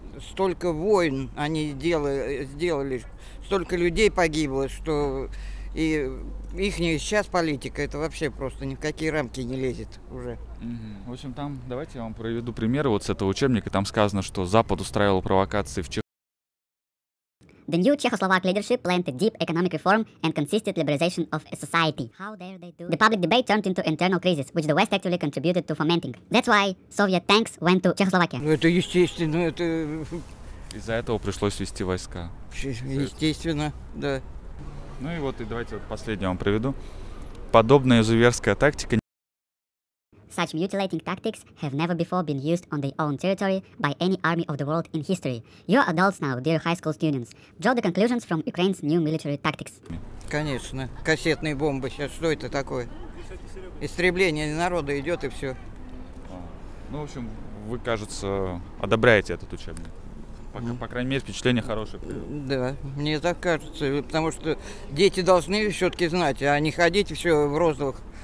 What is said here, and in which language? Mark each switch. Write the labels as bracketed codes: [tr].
[ru] Столько войн они сделали, столько людей погибло, что и ихняя сейчас политика, это вообще просто ни в какие рамки не лезет уже. В общем, там, давайте я вам приведу пример вот с этого учебника. Там сказано, что Запад устраивал провокации в Чехии. [en] The new Czechoslovak leadership planned a deep economic reform and consistent liberalization of a society. How dare they do? The public debate turned into internal crisis, which the West actually contributed to fomenting. That's why Soviet tanks went to Czechoslovakia. [ru] Ну, это естественно, это... Из-за этого пришлось вести войска. Естественно, да. Ну и вот, и давайте вот последнее вам приведу. Подобная изуверская тактика... [en] Such mutilating tactics have never before been used on their own territory by any army of the world in history. You are adults now, dear high school students. Draw the conclusions from Ukraine's new military tactics. [ru] Конечно. Кассетные бомбы. Сейчас что это такое? Истребление народа идет и все. Ну, в общем, вы, кажется, одобряете этот учебник. По крайней мере, впечатление хорошее. Да, мне так кажется. Потому что дети должны все-таки знать, а не ходить все в розовых.